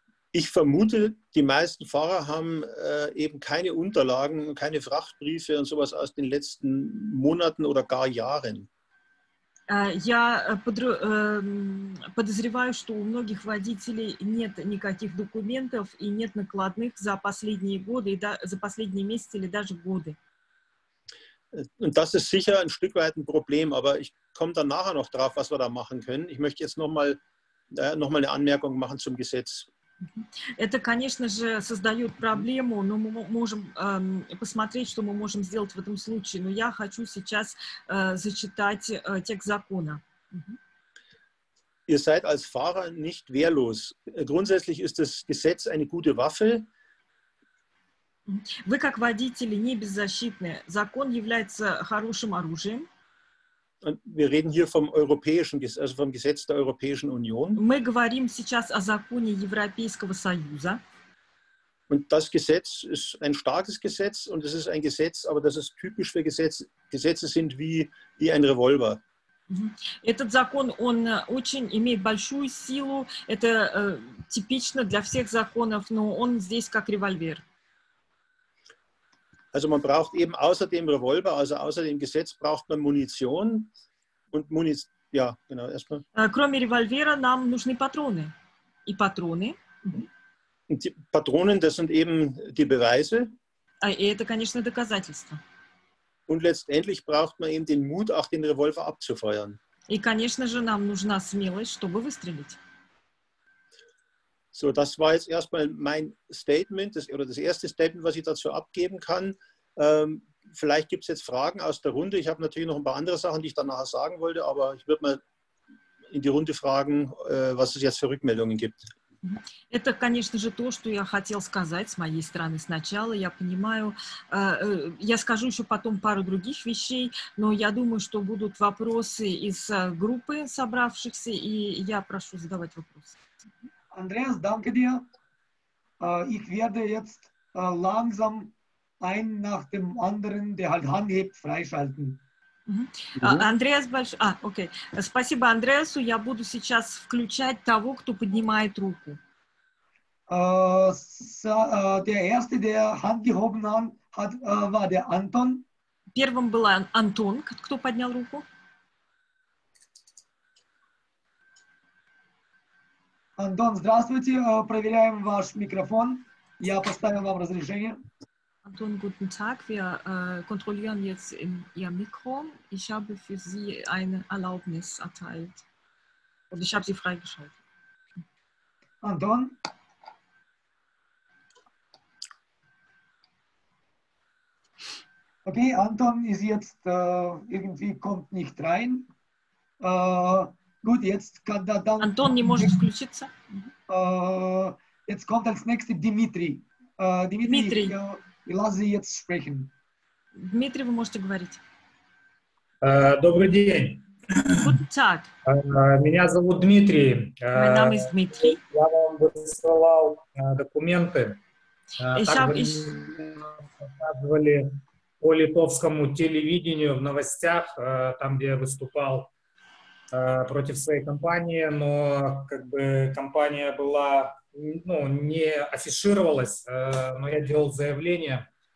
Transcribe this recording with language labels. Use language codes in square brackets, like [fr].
[de] Ich vermute, die meisten Fahrer haben eben keine Unterlagen, keine Frachtbriefe und sowas aus den letzten Monaten oder gar Jahren. [ru] Я подозреваю, что у многих водителей нет никаких документов и нет накладных за последние годы, за последние месяцы или даже годы. [de] Und das ist sicher ein Stück weit ein Problem, aber ich komme dann nachher noch drauf, was wir da machen können. Ich möchte jetzt noch mal eine Anmerkung machen zum Gesetz. [ru] Это, конечно же, создает проблему, но мы можем посмотреть, что мы можем сделать в этом случае. Но я хочу сейчас зачитать текст закона. [de] Ihr seid als Fahrer nicht wehrlos. Grundsätzlich ist das Gesetz eine gute Waffe. [ru] Вы как водители не беззащитны. Закон является хорошим оружием. [de] Wir reden hier vom europäischen, also vom Gesetz der Europäischen Union. [ru] Мы говорим сейчас о законе Европейского Союза. [de] Und das Gesetz ist ein starkes Gesetz und es ist ein Gesetz, aber das ist typisch für Gesetze. Gesetze sind wie ein Revolver. [ru] Этот закон, он очень имеет большую силу. Это типично для всех законов, но он здесь как револьвер. [de] Also man braucht eben außer dem Revolver, also außer dem Gesetz, braucht man Munition und ja, genau, erstmal. [ru] Кроме револьвера нам нужны патроны. И патроны. [de] Und die Patronen, das sind eben die Beweise. [ru] Это, конечно, доказательства. [de] Und letztendlich braucht man eben den Mut, auch den Revolver abzufeuern. [ru] И, конечно же, нам нужна смелость, чтобы выстрелить. [de] So, das war jetzt erstmal mein Statement, das erste Statement, was ich dazu abgeben kann. Vielleicht gibt es jetzt Fragen aus der Runde. Ich habe natürlich noch ein paar andere Sachen, die ich danach sagen wollte, aber ich würde mal in die Runde fragen, was es jetzt für Rückmeldungen gibt. [ru] Это, конечно же, то, что я хотел сказать с моей стороны сначала. Я понимаю, я скажу еще потом пару других вещей, но я думаю, что будут вопросы из группы собравшихся, и я прошу задавать вопросы. [de] Andreas, danke dir. Ich werde jetzt langsam einen nach dem anderen, der halt anhebt, freischalten. Andreas, okay. [ru] Спасибо, Andreas. Я буду сейчас включать того, кто поднимает руку. [de] Der erste, der Hand gehoben hat, war der Anton. [ru] Первым был Антон, кто поднял руку. Антон, здравствуйте. Проверяем ваш микрофон. Я поставил вам разрешение. [de] Антон, guten Tag. Wir kontrollieren jetzt in Ihr Mikro. Ich habe für Sie eine Erlaubnis erteilt. Und ich habe Sie freigeschaltet. [ru] Антон? [de] Okay, Антон ist jetzt irgendwie kommt nicht rein. Gut, jetzt kann da dann... [ru] Антон не может включиться. [de] Jetzt kommt als nächstes Dimitri. Dimitri. Ich lasse Sie jetzt sprechen. [ru] Dimitri, вы можете говорить. Добрый день. [de] Guten Tag. [ru] Меня зовут Дмитрий. [de] Mein Name ist Dmitri. [ru] Я вам высылал документы. Показывали по литовскому телевидению в новостях, там, где я выступал против своей компании, но как бы компания была, ну, не афишировалась, но я делал заявление.